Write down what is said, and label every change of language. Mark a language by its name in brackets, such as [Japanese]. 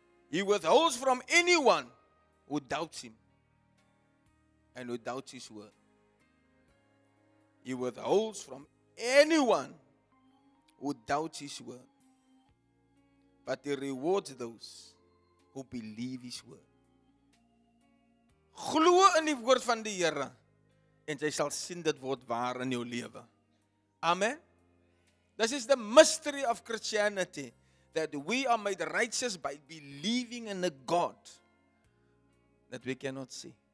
[English] He withholds from anyone who doubts him and who doubts his word. He withholds from anyone who doubts his word. But he rewards those who believe his word. [Afrikaans] Glo in die woord van die Here en jy sal sien dit word waar in jou lewe. Amen. [English] This is the mystery of Christianity, that we are made righteous by believing in a God that we cannot see.